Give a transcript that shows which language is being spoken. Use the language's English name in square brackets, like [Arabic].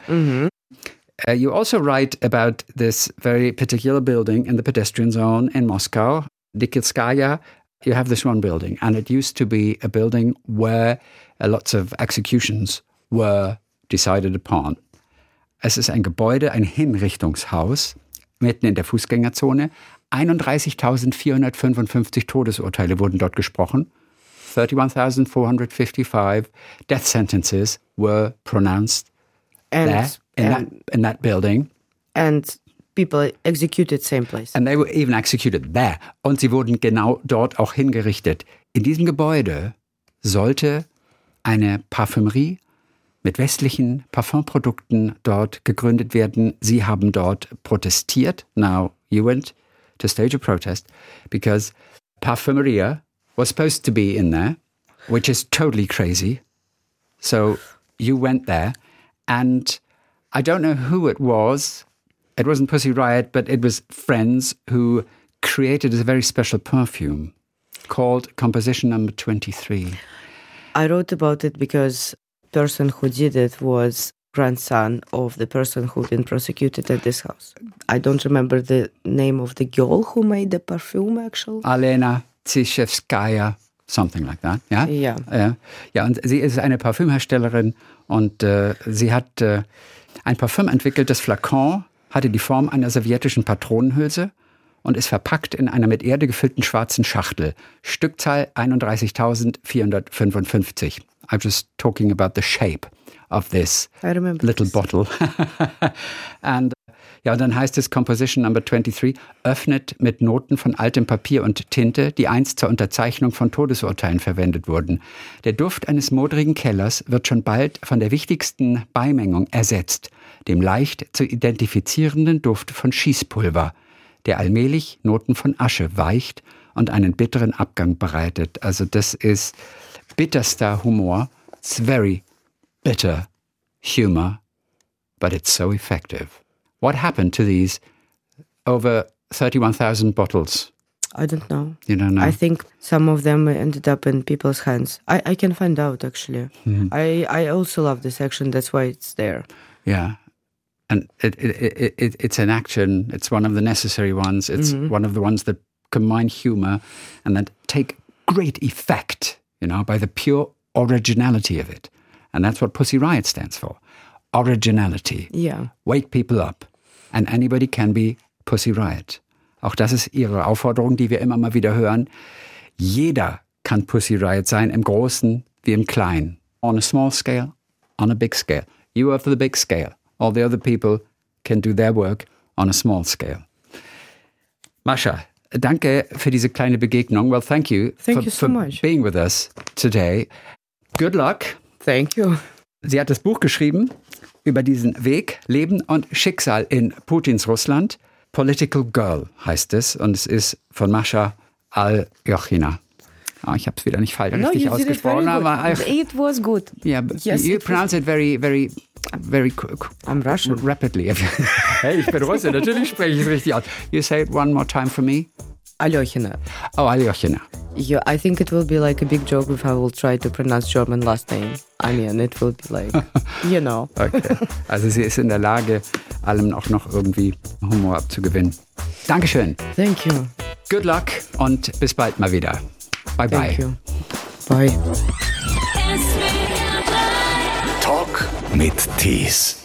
[English] Mm-hmm. You also write about this very particular building in the pedestrian zone in Moscow, Nikitskaya. You have this one building, and it used to be a building where lots of executions were decided upon. [German] Es ist ein Gebäude, ein Hinrichtungshaus, mitten in der Fußgängerzone. 31.455 Todesurteile wurden dort gesprochen. [English] 31,455 death sentences were pronounced in that building. And people executed same place. And they were even executed there. [German] Und sie wurden genau dort auch hingerichtet. In diesem Gebäude sollte eine Parfümerie mit westlichen Parfumprodukten dort gegründet werden. Sie haben dort protestiert. [English] Now, you went to stage a protest because Parfümerie was supposed to be in there, which is totally crazy. So you went there, and I don't know who it was. It wasn't Pussy Riot, but it was friends who created a very special perfume called Composition Number 23. I wrote about it because the person who did it was grandson of the person who'd been prosecuted at this house. I don't remember the name of the girl who made the perfume, actually. Alena Tsishevskaya, something like that, yeah? Yeah. [German] Ja, und sie ist eine Parfümherstellerin und sie hat ein Parfüm entwickelt. Das Flakon hatte die Form einer sowjetischen Patronenhülse und ist verpackt in einer mit Erde gefüllten schwarzen Schachtel. Stückzahl 31.455. [English] I'm just talking about the shape of this little bottle. [German] And ja, und dann heißt es Composition Number 23, öffnet mit Noten von altem Papier und Tinte, die einst zur Unterzeichnung von Todesurteilen verwendet wurden. Der Duft eines modrigen Kellers wird schon bald von der wichtigsten Beimengung ersetzt, dem leicht zu identifizierenden Duft von Schießpulver, der allmählich Noten von Asche weicht und einen bitteren Abgang bereitet. Also das ist bitterster Humor. [English] It's very bitter humor, but it's so effective. What happened to these over 31,000 bottles? I don't know. You don't know? I think some of them ended up in people's hands. I can find out, actually. Mm-hmm. I also love this section. That's why it's there. Yeah. And it's an action. It's one of the necessary ones. It's mm-hmm. one of the ones that combine humor and that take great effect, you know, by the pure originality of it. And that's what Pussy Riot stands for. Originality. Yeah. Wake people up. And anybody can be Pussy Riot. [German] Auch das ist Ihre Aufforderung, die wir immer mal wieder hören. Jeder kann Pussy Riot sein, im Großen wie im Kleinen. [English] On a small scale, on a big scale. You are for the big scale. All the other people can do their work on a small scale. [German] Masha, danke für diese kleine Begegnung. [English] Well, thank you. Thank you so much for being with us today. Good luck. Thank you. [German] Sie hat das Buch geschrieben über diesen Weg, Leben und Schicksal in Putins Russland. Political Girl heißt es und es ist von Masha Al-Yochina. Oh, ich habe es wieder nicht falsch richtig ausgesprochen, aber [English] it was good. Yeah, yes, you pronounce it very, very, very quick. I'm Russian. Rapidly. [German] Hey, ich bin Russin, natürlich spreche ich es richtig aus. [English] You say it one more time for me. Al-Yochina. Oh, Al-Yochina. Yeah, I think it will be like a big joke if I will try to pronounce German last name. I mean, it will be like, you know. Okay. [German] Also sie ist in der Lage, allem auch noch irgendwie Humor abzugewinnen. Dankeschön. [English] Thank you. Good luck [German] und bis bald mal wieder. Bye-bye. [English] Thank you. Bye. [German] Talk mit Thies.